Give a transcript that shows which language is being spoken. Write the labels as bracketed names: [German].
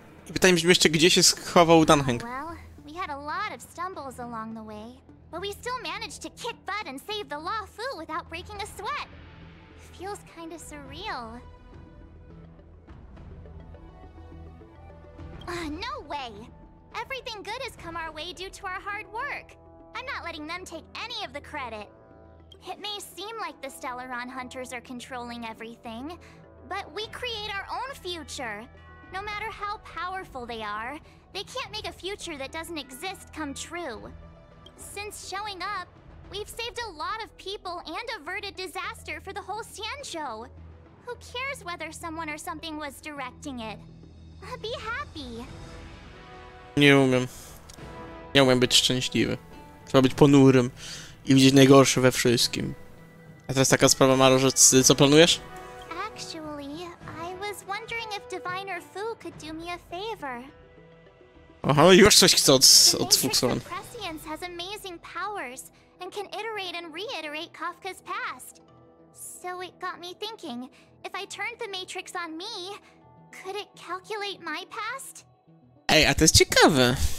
[Polish] I pytaj mi jeszcze, gdzie się schował Danheng. [English] Stumbles along the way, but we still managed to kick butt and save the Law Fu without breaking a sweat. Feels kind of surreal. No way! Everything good has come our way due to our hard work. I'm not letting them take any of the credit. It may seem like the Stellaron Hunters are controlling everything, but we create our own future. No matter how powerful they are, they can't make a future that doesn't exist come true. Since showing up, we've saved a lot of people and averted disaster for the whole Sancho. Who cares whether someone or something was directing it? Be happy. [Polish] Nie umiem. Nie umiem być szczęśliwy. Trzeba być ponurym i widzieć najgorsze we wszystkim. A teraz taka sprawa, Maro, że co planujesz? [English] Actually, I was wondering if Diviner Fu could do me a favor. [Polish] Aha, już coś chcę od Fuxon. [English] The prescience has amazing powers and can iterate and reiterate Kafka's past. So it got me thinking, if I turned the matrix on me, could it calculate my past? [Polish] Ej, a to jest ciekawe.